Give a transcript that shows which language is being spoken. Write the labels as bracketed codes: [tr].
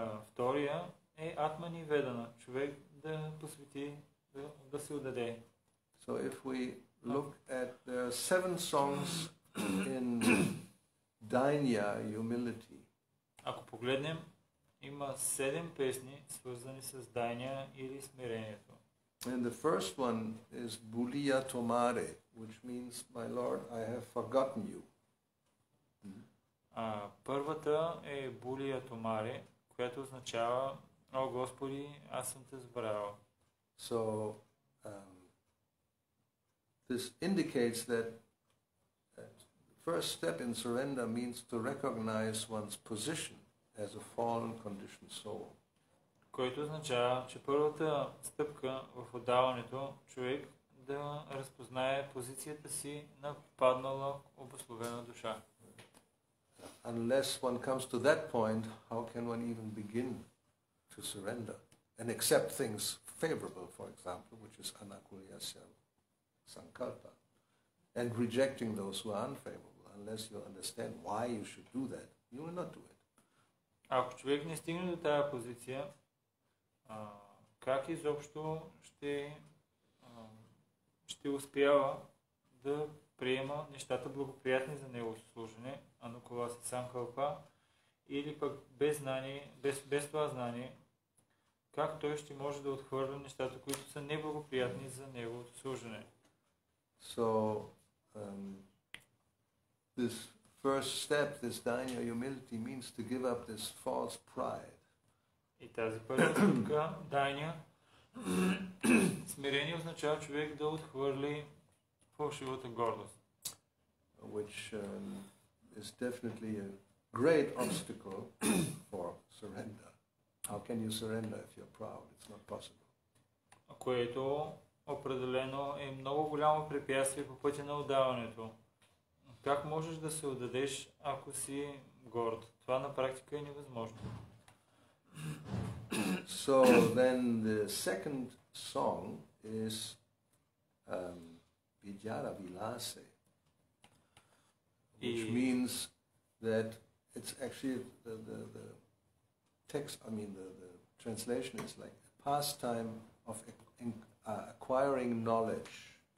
[bg] Втория е Atmanivedana, човек да посвети, да се отдаде. [en] So if we look at the seven songs in Dānya, humility. [bg] Ако погледнем, има седем песни, свързани с дайня или смирението. [en] And the first one is Bulia Tomare, which means, my Lord, I have forgotten you. [bg] Първата е Bulia Tomare, която означава, о Господи, аз съм те забравял. [en] So, this indicates that the first step in surrender means to recognize one's position as a fallen conditioned soul. [bg] Което означава, че първата стъпка в отдаването, човек да разпознае позицията си на паднала обословена душа. [en] Unless one comes to that point, how can one even begin to surrender and accept things favorable, for example, which is anakulyasya sankalpa, and rejecting those who are unfavorable, unless you understand why you should do that, you will not do it. [bg] Ако човек не стигне до тая позиция, как изобщо ще ще успява да приема нещата благоприятни за него служене, а на кола си сам кълпа, или пък без знание, без това знание, как той ще може да отхвърля нещата, които са неблагоприятни за неговото служене? [en] So, this first step, this dānya humility, means to give up this false pride. [bg] И тази първа стъпка, дайня, смирение означава човек да отхвърли фалшивата гордост. [en] Which is definitely a great obstacle for surrender. How can you surrender if you're proud? It's not possible. [bg] Което определено е много голямо препятствие по пътя на отдаването. Как можеш да се отдадеш, ако си горд? Това на практика е невъзможно. [en] So then the second song is Vijara Vilase, which means that it's actually the text, I mean the translation is like a pastime of acquiring knowledge.